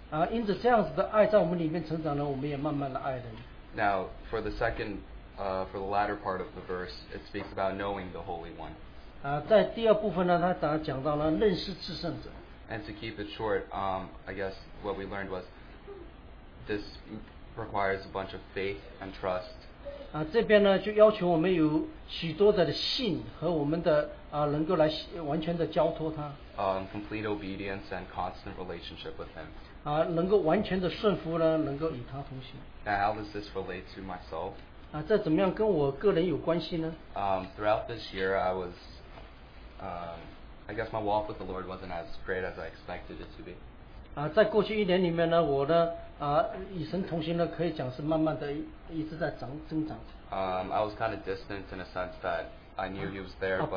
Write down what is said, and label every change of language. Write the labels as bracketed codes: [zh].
[zh] 因着这样子的爱在我们里面成长呢，我们也慢慢的爱人。 [en] Now for the second, for the latter part of the verse, it speaks about knowing the Holy One. [zh] 在第二部分呢，他讲到了认识至圣者。 [en] And to keep it short, I guess what we learned was this requires a bunch of faith and trust. [zh] 这边呢就要求我们有许多的信和我们的能够来完全的交托他。 [en] Complete obedience and constant relationship with Him. [zh] 能够完全的顺服呢，能够与他同行。 [en] Now, how does this relate to myself? [zh] 这怎么样跟我个人有关系呢？ [en] Throughout this year, I was, I guess my walk with the Lord wasn't as great as I expected it to be. [zh] 在过去一年里面呢，我呢，与神同行呢，可以讲是慢慢的一直在增长。 [en] I was kind of distant in a sense that I knew He was there, but